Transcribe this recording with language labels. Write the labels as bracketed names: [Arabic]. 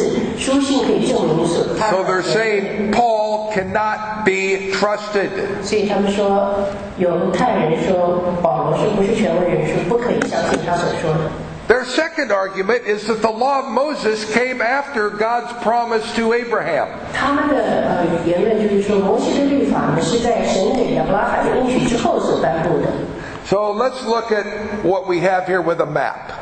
[Chinese] 所以保罗在建立这个加太教会的时候是第一所教会，所以他没有任何的文字书信可以证明所。 [English] So they're saying Paul cannot be trusted. [Chinese] 所以他们说，犹太人说保罗是不是权威人士，不可以相信他所说的。 [English] Their second argument is that the law of Moses came after God's promise to Abraham. [Chinese] 他们的言论就是说，摩西的律法呢是在神给亚伯拉罕的应许之后所颁布的。 [English] So let's look at what we have here with a map.